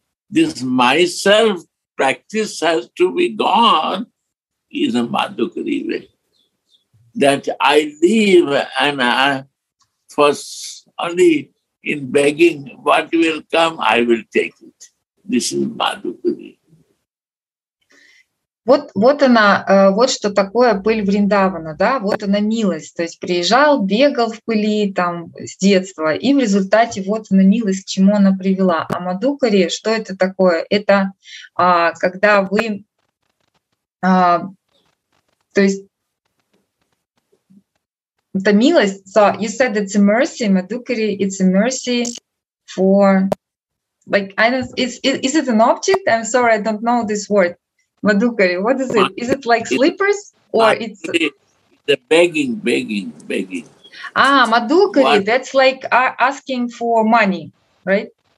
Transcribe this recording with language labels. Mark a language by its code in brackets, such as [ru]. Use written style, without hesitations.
[en] This myself practice has to be gone is a Madhukari way. That I live and I first only in begging what will come, I will take it. This is Madhukari. [ru] Вот, вот она, вот что такое пыль Вриндавана, да, вот она милость. То есть приезжал, бегал в пыли там с детства, и в результате вот она милость, к чему она привела. А Мадхукари, что это такое? Это когда вы, то есть, это милость. [en] So you said it's a mercy, Мадхукари, it's a mercy for, like, I don't, is it an object? I'm sorry, I don't know this word. Madhukari, what is it? Is it like slippers or it's the begging? Ah, Madhukari, what? That's like asking for money, right?